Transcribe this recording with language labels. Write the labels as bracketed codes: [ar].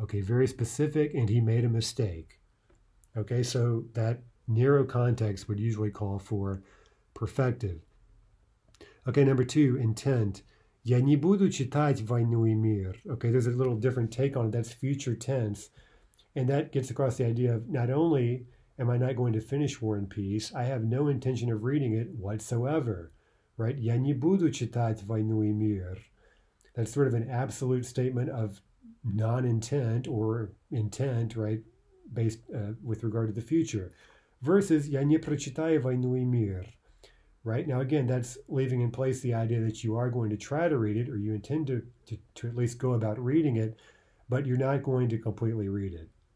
[en] Okay, very specific, and he made a mistake. Okay, so that narrow context would usually call for perfective. Okay, number two, intent. [ru] Я не буду читать войну и мир. [en] Okay, there's a little different take on it. That's future tense. And that gets across the idea of not only am I not going to finish War and Peace, I have no intention of reading it whatsoever. Right? [ru] Я не буду читать войну и мир. [en] That's sort of an absolute statement of non-intent or intent, right, based with regard to the future. Versus, [ru] я не прочитаю войну и мир, [en] right? Now, again, that's leaving in place the idea that you are going to try to read it or you intend to at least go about reading it, but you're not going to completely read it.